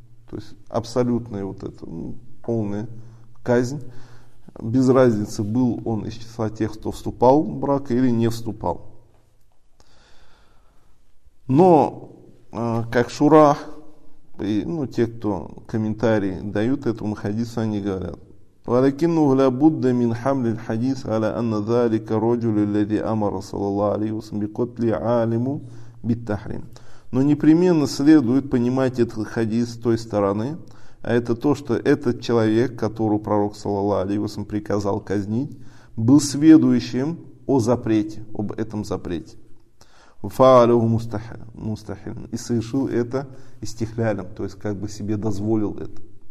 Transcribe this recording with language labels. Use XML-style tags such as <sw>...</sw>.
<ru>То есть абсолютная вот эта, ну, полная казнь. Без разницы, был он из числа тех, кто вступал в брак или не вступал. Но, как шурах, и, ну, те, кто комментарии дают этому хадису, они говорят,</ru> <ar>ولكنه لابد من حمل الحديث على أن ذلك الرجل الذي أمر صلى الله عليه وسلم بقتل عالم بالتحريم.</ar> <ru>Но непременно следует понимать этот хадис с той стороны, а это то, что этот человек, которого пророк саллаллаху алейхи ва саллям приказал казнить, был сведущим о запрете, об этом запрете.</ru> <ar>Фаалюху мустахилин.</ar> <ru>И совершил это истихлялем, то есть как бы себе дозволил это.</ru>